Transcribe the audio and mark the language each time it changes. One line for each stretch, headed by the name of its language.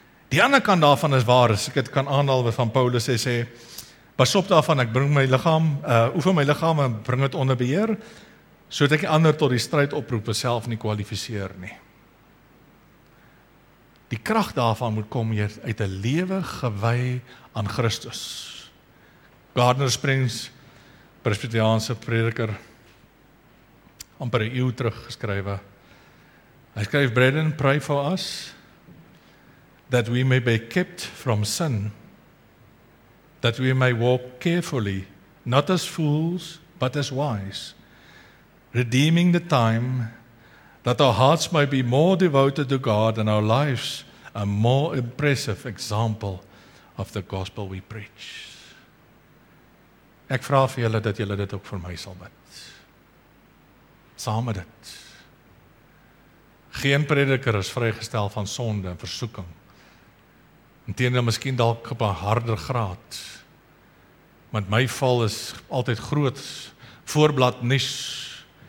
Afrikaans: Die ander kant daarvan is waar, as ek dit kan aanhaal wat van Paulus sê, pas op daarvan, ek bring my liggaam, oefen my liggaam en bring het onder beheer, so dat ek die ander tot die stryd oproep, self nie kwalificeer nie. Die krag daarvan moet kom hier uit 'n lewe gewy aan Christus. Gardner Springs, Presbyteriaanse prediker, amper 'n eeuw terug geskrywe, hy skryf,
English: Brandon, pray for us, that we may be kept from sin, that we may walk carefully, not as fools, but as wise, redeeming the time, that our hearts may be more devoted to God and our lives a more impressive example of the gospel we preach.
Afrikaans: Ek vraag vir julle dat julle dit ook vir my sal bid. Saam met dit. Geen prediker is vrygestel van sonde en versoeking. Inteendeel miskien dalk op 'n harder graad. Want my val is altyd groot voorblad nuus.